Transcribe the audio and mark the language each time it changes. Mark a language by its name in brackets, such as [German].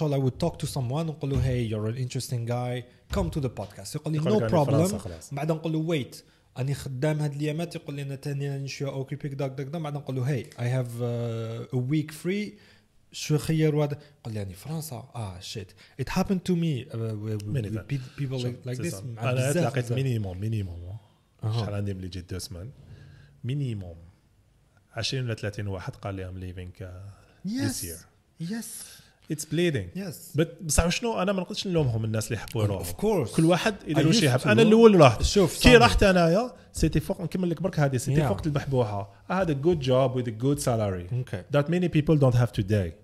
[English] So I would talk to someone, [Arabic] نقول له, [English] hey, you're an interesting guy, come to the podcast. [Arabic] يقول لي [English] no problem. [Arabic] بعد نقول له [English] wait, [Arabic] أنا خدام هاد الأيامات. يقول لي أنا تاني نشوي أوكيبيك دك دك دم. بعد نقول له [English] hey, I have a week free. [Arabic] شو خير واد؟ قال لي يعني فرنسا. [English] آه shit, it happened to me with people like this. [Arabic] أنا تلاقيت مينيموم شحال عندي ملي جيت دو سمان, مينيموم 20 إلى 30 واحد قال لي [English] I'm leaving this year. Yes, it's bleeding. Yes, but [Arabic] بصح شنو, أنا ما نقدش نلومهم الناس اللي يحبوا يروحوا. [English] Of course, [Arabic] كل واحد يديروا شي يحب. أنا الأول رحت, شوف كي رحت أنايا سيتي فوق, نكمل لك برك هذه سيتي فوق البحبوحة. [English] I had a good job with a good salary that many people don't have today.